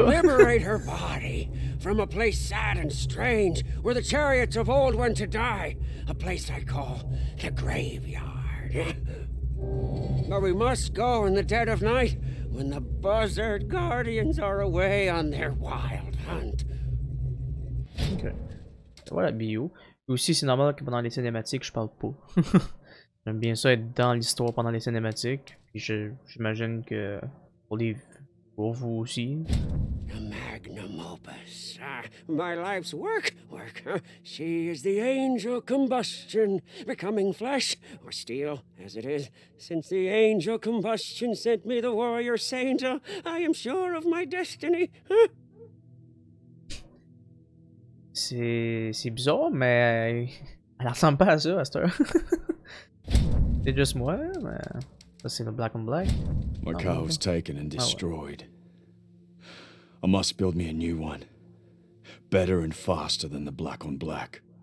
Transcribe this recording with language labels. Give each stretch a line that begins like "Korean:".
English: We will liberate her body from a place sad and strange where the chariots of old went to die. A place I call the graveyard. But we must go in the dead of night, when the buzzard guardians are away on their wild hunt.
French: Okay. Voilà, bio. Et aussi, c'est normal que pendant les cinématiques, je parle pas. J'aime bien ça être dans l'histoire pendant les cinématiques. Puis j'imagine que pour vous aussi.
English: The magnum opus. My life's work. Work. She is the angel combustion, becoming flesh, or steel, as it is. Since the angel combustion sent me the warrior saint, I am sure of my destiny.
French: C'est bizarre, mais elle ressemble pas à ça, Astor. C'est juste moi, mais ça c'est le black on black.
English: My car was taken and destroyed. Oh,
French: ouais.
English: I must build me a new one, better and faster than the black on black.